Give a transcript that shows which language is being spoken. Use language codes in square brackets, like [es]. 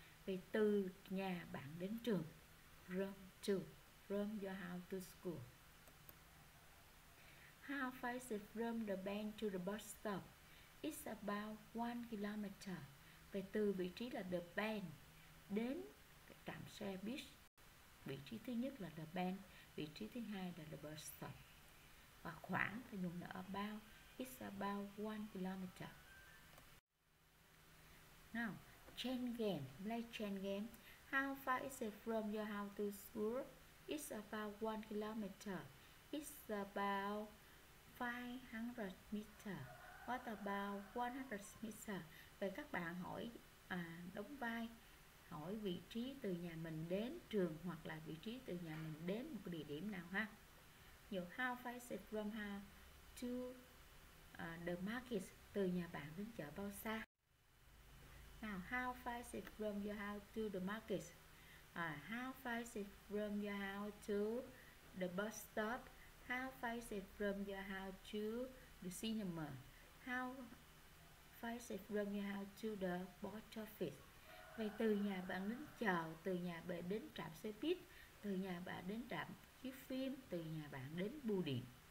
[vi] Vậy từ nhà bạn đến trường, [en] from to, from your house to school. How far is it from the bank to the bus stop? It's about 1 kilometer. [vi] Vậy từ vị trí là the bank đến trạm xe buýt, vị trí thứ nhất là the bank, vị trí thứ hai là the bus stop. Và khoảng thì dùng là about. [en] It's about 1 kilometer. Now chain game, play chain game. How far is it from your house to school? It's about 1 kilometer. It's about 500 meter. What about 100 meter? [vi] Vậy các bạn hỏi đóng vai, hỏi vị trí từ nhà mình đến trường hoặc là vị trí từ nhà mình đến một địa điểm nào ha. [en] Nhiều how far is it from here to the market? [vi] Từ nhà bạn đến chợ bao xa? [en] Now, how far is it from your house to the market? How far is it from your house to the bus stop? How far is it from your house to the cinema? How far is it from your house to the post office? [vi] Vậy từ nhà bạn đến chợ, từ nhà bạn đến trạm xe buýt, từ nhà bạn đến trạm chiếu phim, từ nhà bạn đến bưu điện.